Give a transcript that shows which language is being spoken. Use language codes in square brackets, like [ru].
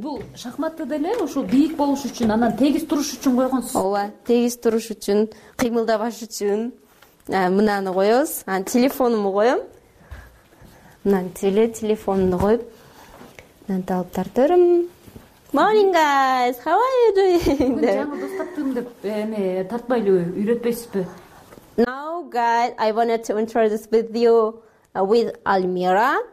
[ky] Бул шахматты деле ушул бийик болуш үчүн, анан тегиз туруш үчүн койгонсуз. Ооба, тегиз туруш үчүн, кыймылдабаш үчүн. Мынаны коебуз, анан телефонумду коем. Мынан телефонумду коюп, мынан таап тартырым. [en] Morning guys, how are you doing? [ky] Жаңы достоптум деп эме тартпай эле үйрөтпөйсүзбү? [en] Now guys, I wanted to introduce with you with Almira.